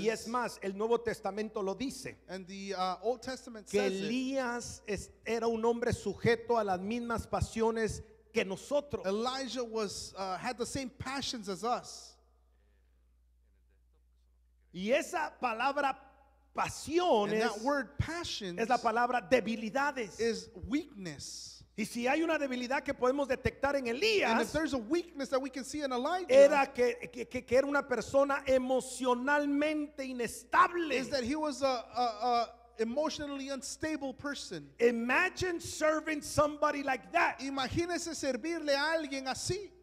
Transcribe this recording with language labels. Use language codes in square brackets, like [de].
[es] Y es más, el Nuevo Testamento lo dice. [en] And the Old Testament says [es] que Elías era un hombre sujeto a las mismas pasiones que nosotros. [en] Elijah was had the same passions as us. [es] Y esa palabra pasiones, [en] and that word passions, [es] es la palabra debilidades, [en] is weakness. [es] Y si hay una debilidad que podemos detectar en Elías, [en] and if there's a weakness that we can see in Elijah, [es] era que era una persona emocionalmente inestable. [en] Is that he was a emotionally unstable person. Imagine serving somebody like that. [es] Imagínese servirle a alguien así.